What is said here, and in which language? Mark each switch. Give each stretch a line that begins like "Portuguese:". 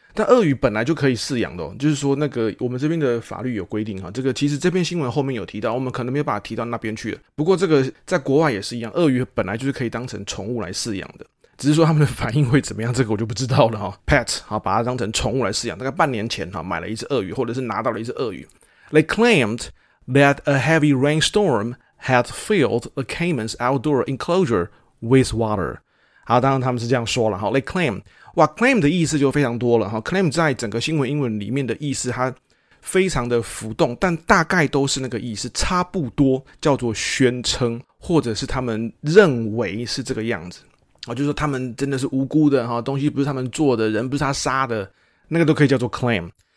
Chinese: 但鳄鱼本来就可以饲养的、就是说那个我们这边的法律有规定啊，这个其实这篇新闻后面有提到，我们可能没有把它提到那边去了。不过这个在国外也是一样，鳄鱼本来就是可以当成宠物来饲养的。只是说他们的反应会怎么样，这个我就不知道了、Pet 好，把它当成宠物来饲养，大概半年前、买了一只鳄鱼，或者是拿到了一只鳄鱼。
English: They claimed that a heavy rainstorm had filled the caiman's outdoor enclosure with water。
Chinese: 好，当然他们是这样说了。
English: They claim，
Chinese: 哇， claim 的意思就非常多了。 claim 在整个新闻英文里面的意思它非常的浮动，但大概都是那个意思，差不多叫做宣称，或者是他们认为是这个样子，就是说他们真的是无辜的，东西不是他们做的，人不是他杀的，那个都可以叫做 claim。